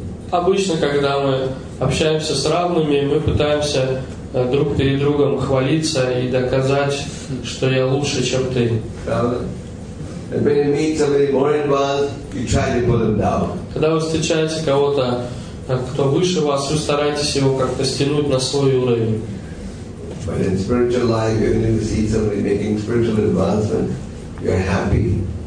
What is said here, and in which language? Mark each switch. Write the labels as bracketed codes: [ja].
[ru] Обычно, когда мы общаемся с равными, мы пытаемся друг перед другом хвалиться и доказать, что я лучше, чем ты. [en] And when you meet somebody more involved, you try to pull them down. [ru] Когда вы встречаете кого-то, кто выше вас, вы стараетесь его как-то стянуть на свой уровень. [en] But in spiritual life, when you see somebody making spiritual advancement, you're happy.